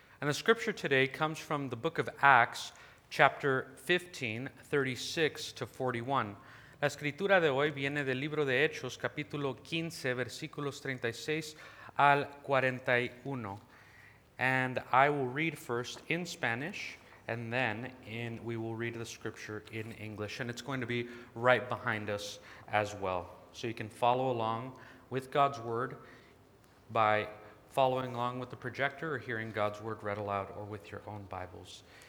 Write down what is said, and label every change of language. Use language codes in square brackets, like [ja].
[en] And the scripture today comes from the book of Acts, chapter 15, 36 to 41. [es] La escritura de hoy viene del libro de Hechos, capítulo 15, versículos 36 al 41. [en] And I will read first in Spanish, and then we will read the scripture in English. And it's going to be right behind us as well. So you can follow along with God's word by following along with the projector or hearing God's word read aloud or with your own Bibles.